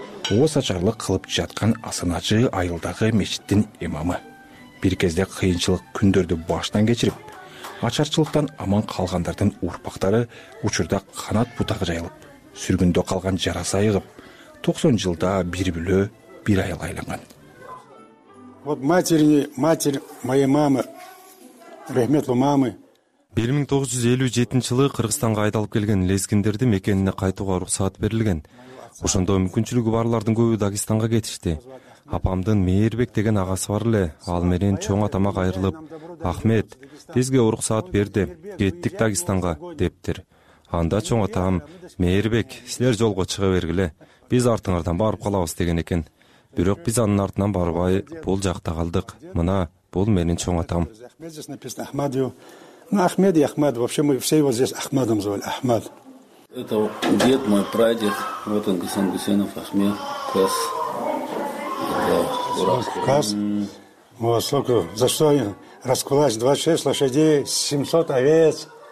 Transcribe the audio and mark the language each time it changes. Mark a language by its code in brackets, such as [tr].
[ky] Оос ачарлык кылып жаткан Асаначы айылдагы мечиттин имамы. Бир кезде кыйынчылык күндөрдү баштан кечирип, ачарчылыктан аман калгандардын урпактары учурда канат бутагы жайылып, сүргүндө калган жарасы айыгып, 90 жылда бир бүлө бир айыл айланган. [ru] Вот матерь моей мамы, рахметлу мамы. [ky] 1957-жылы Кыргызстанга айдалып келген лезгиндерди мекенине кайтууга уруксат берилген. Ошондо мүмкүнчүлүгү барлардын көбү Дагестанга кетишти. Апамдын Мээрбек деген агасы бар эле. Ал менен чоң атама кайрылып, Ахмет, бизге уруксат берди, кеттик Дагестанга дептир. Анда чоң атам, Мээрбек, силер жолго чыга бергиле, биз артыңардан барып калабыз деген экен. Бирок биз анын артынан барбай, бул жакта калдык. Мына бул менин чоң атам. [ru] Ахмед и Ахмед. Вообще мы все его здесь Ахмедом звали. Ахмед. Это дед мой, прадед. Вот он, Гасан Гусенов Ахмед. Кас. Кас. Вот сколько. За что раскулач? 26 лошадей, 700 овец.